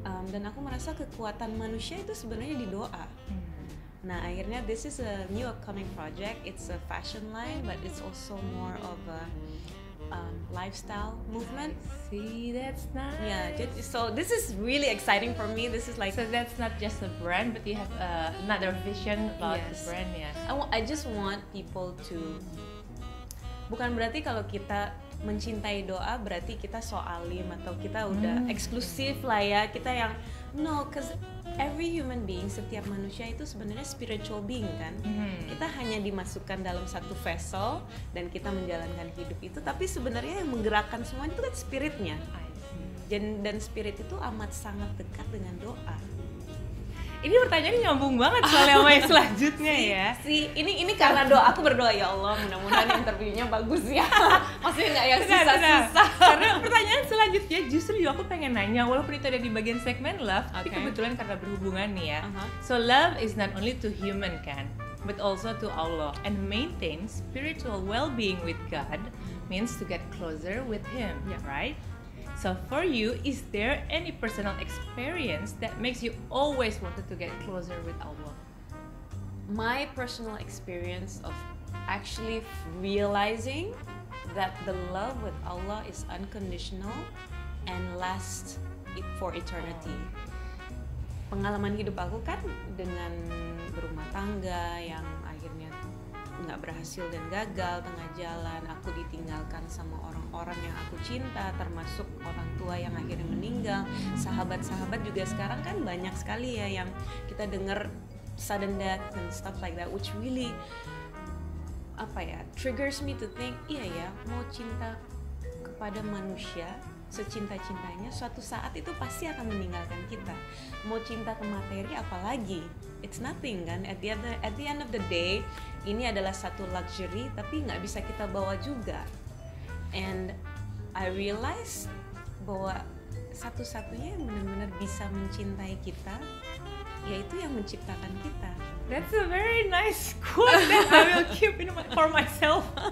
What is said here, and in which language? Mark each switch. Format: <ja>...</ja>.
<id>Dan aku merasa kekuatan manusia itu sebenarnya di doa. Nah akhirnya</id> <en>this is a new upcoming project. It's a fashion line, but it's also more of a lifestyle movement. I see, that's nice. Yeah, so this is really exciting for me. This is like, so that's not just a brand, but you have another vision about the brand. I just want people to.</en> <id>Bukan berarti kalau kita mencintai doa berarti kita soalim atau kita udah eksklusif lah ya, kita yang</id> <en>no, cause every human being,</en> <id>setiap manusia itu sebenarnya spiritual being kan. Kita hanya dimasukkan dalam satu vessel dan kita menjalankan hidup itu, tapi sebenarnya yang menggerakkan semuanya itu kan spiritnya. Dan spirit itu amat sangat dekat dengan doa. Ini pertanyaannya nyambung banget soalnya sama yang selanjutnya ya. Ini karena doa aku berdoa, ya Allah mudah-mudahan interviewnya bagus ya. Maksudnya nggak yang susah-susah. Karena pertanyaan selanjutnya justru juga aku pengen nanya, walaupun itu ada di bagian segmen love, okay, tapi kebetulan karena berhubungan nih ya.</id> <en>So love is not only to human kan, but also to Allah, and maintain spiritual well-being with God means to get closer with Him, right? So for you, is there any personal experience that makes you always wanted to get closer with Allah? My personal experience of actually realizing that the love with Allah is unconditional and lasts for eternity.</en> <id>Pengalaman hidup aku kan dengan berumah tangga yang akhirnya nggak berhasil dan gagal tengah jalan, aku ditinggalkan sama orang-orang yang aku cinta, termasuk orang tua yang akhirnya meninggal, sahabat-sahabat juga sekarang kan banyak sekali ya yang kita dengar</id> <en>sudden death and stuff like that, which really</en> <id>apa ya,</id> <en>triggers me to think,</en> <id>iya ya, mau cinta kepada manusia secinta-cintanya, suatu saat itu pasti akan meninggalkan kita. Mau cinta ke materi apalagi,</id> <en>it's nothing</en> <id>kan.</id> <en>At the end of the day,</en> <id>ini adalah satu luxury tapi nggak bisa kita bawa juga.</id> <en>And I realize</en> <id>bahwa satu-satunya yang benar-benar bisa mencintai kita yaitu yang menciptakan kita.</id> <en>That's a very nice quote that I will keep in my, for myself.</en>